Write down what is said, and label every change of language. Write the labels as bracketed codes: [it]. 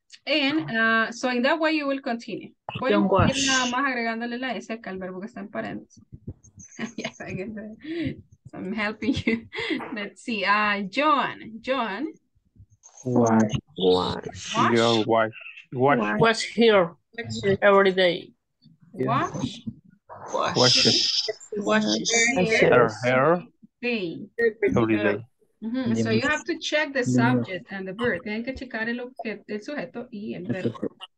[en] And so in that way you will continue. Don't [es] nada más agregándole la S al verbo que está en paréntesis. [en] Yes, I get that. So I'm helping you. Let's see. John. Wash every day. Wash her hair every day. Mm-hmm. So you have to check the subject and the verb. [es] Tienen que checar el objeto, el sujeto y el verbo.